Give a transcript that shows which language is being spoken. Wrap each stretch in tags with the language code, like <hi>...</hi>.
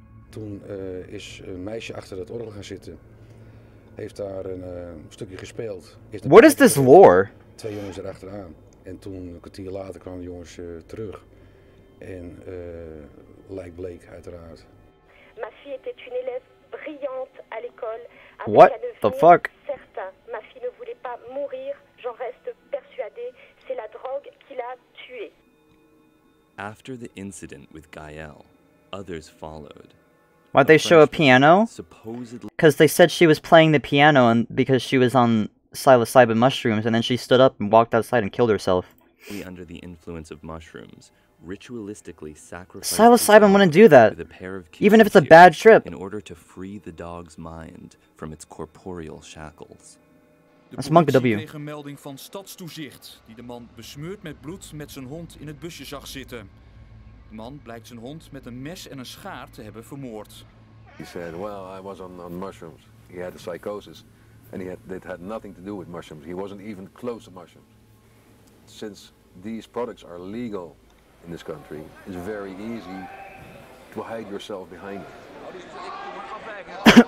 <nl>Toen is een meisje achter dat orgel gaan zitten, heeft daar een stukje gespeeld.</nl> <en>What is this lore?</en> <nl>Twee jongens erachteraan. En toen, een kwartier later, kwamen de jongens terug. En lijk bleek, uiteraard.</nl> <fr>Ma fille était une élève brillante à l'école...</fr> <en>What the fuck?</en> <fr>Certain, ma fille ne voulait pas mourir, j'en reste persuadé, c'est la drogue qui l'a tué.</fr> <en>After the incident with Gaël, others followed. Why'd they show a piano? Supposedly. Because they said she was playing the piano and because she was on psilocybin mushrooms, and then she stood up and walked outside and killed herself. Under the influence of mushrooms, ritualistically sacrificed. Psilocybin wouldn't do that. With a pair of kids even if it's a bad trip. In order to free the dog's mind from its corporeal shackles. That's Monk W.</en> <nl>Kreeg een melding van stadstoezicht die de man besmeurd met bloed met zijn hond in het busje zag zitten. De man blijkt zijn hond met een mes en een schaar te hebben vermoord.</nl> <en>He said, well, I was on mushrooms. He had a psychosis and it had nothing to do with mushrooms. He wasn't even close to mushrooms. since these products are legal in this country, it's very easy to hide yourself behind it.</en>